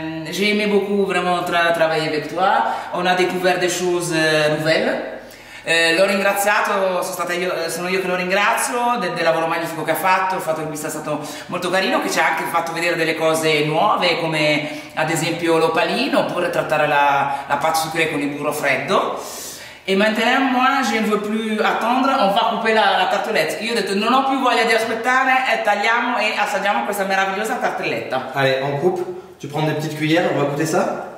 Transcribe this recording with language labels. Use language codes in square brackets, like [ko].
[fr] J'ai aimé beaucoup vraiment travailler avec toi. On a découvert des choses nouvelles. [it] L'ho ringraziato, sono io che lo ringrazio del lavoro magnifico che ha fatto, il fatto che mi sia stato molto carino, che ci ha anche fatto vedere delle cose nuove come ad esempio l'opalino oppure trattare la pâte sucrée con il burro freddo. [fr] E maintenant moi je ne veux plus attendre, on va couper la tartelette. [it] Io ho detto non ho più voglia di aspettare, tagliamo e assaggiamo questa meravigliosa tartelletta. [fr] Allez, on coupe, tu prends des petites cuillères, on va goûter ça?